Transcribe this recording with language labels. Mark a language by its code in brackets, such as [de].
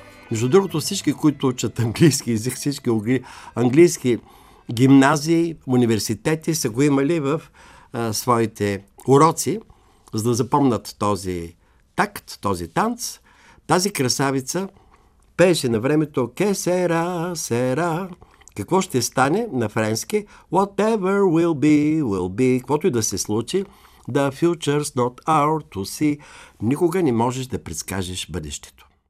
[bg] Между другото, всички, които учат английски език, всички английски гимназии, университети са го имали в своите уроци, за да запомнят този такт, този танц. Тази красавица пееше на времето «Ке сера, сера». Какво ще стане на френски? [en] Whatever will be, will be. [bg] Каквото и да се случи, [en] the future's not our to see. [bg] Никога не можеш да предскажеш бъдещето.